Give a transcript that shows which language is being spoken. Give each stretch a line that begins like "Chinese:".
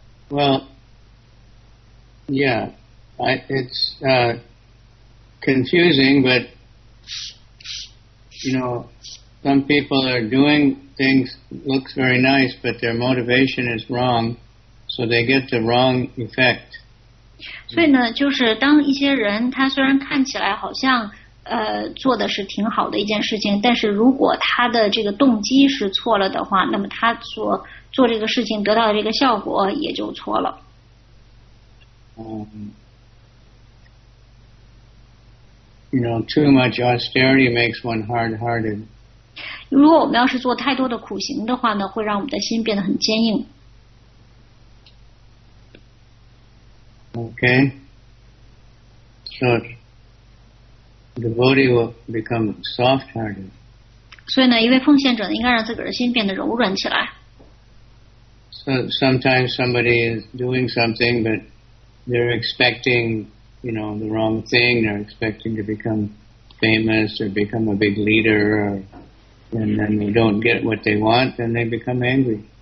English: Well, yeah, it's confusing, but, you know, some people are doing things, looks very nice, but their motivation is wrong, so they get the wrong effect.
Chinese: 所以呢，就是当一些人他虽然看起来好像做的是挺好的一件事情，但是如果他的这个动机是错了的话，那么他所做这个事情得到的这个效果也就错了。
English: You know, too much austerity makes one hard-hearted.
Chinese: 如果我们要是做太多的苦行的话呢，会让我们的心变得很坚硬。
English: Okay. So, the devotee will become soft-hearted.
Chinese: 所以呢，一位奉献者应该让自个儿的心变得柔软起来。
English: So, sometimes somebody is doing something, but they're expecting, you know, the wrong thing. They're expecting to become famous or become a big leader, and then they don't get what they want, and they become angry.